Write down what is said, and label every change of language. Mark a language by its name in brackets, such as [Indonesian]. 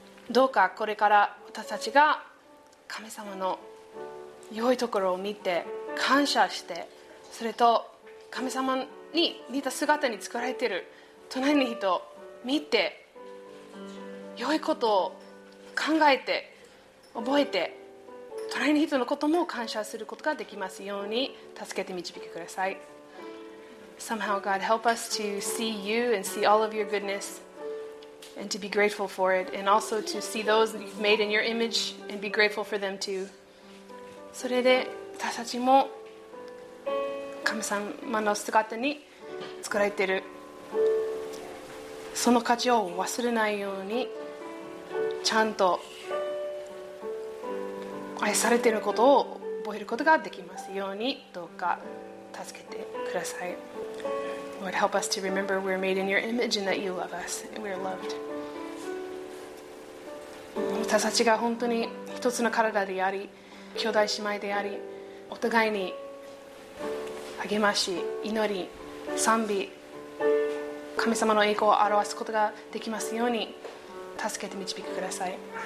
[Japanese] どうかこれから私たちが神様の良いところを見て感謝して、それと神様に似た姿に作られている隣の人を見て良いことを考えて覚えて、隣の人のことも感謝することができますように、助けて導きください。 [English] Somehow God help us to see you and see all of your goodness and to be grateful for it, and also to see those that you've made in your image and be grateful for them too。 [Japanese] それで私たちも神様の姿に作られている、その価値を忘れないようにちゃんと愛されていることを覚えることができますように、どうか助けてください。 [English] Lord, help us to remember we're made in your image and that you love us and we're loved。 [Japanese] 私たちが本当に一つの体であり、兄弟姉妹であり、お互いに励まし、祈り、賛美、神様の栄光を表すことができますように、助けて導くください。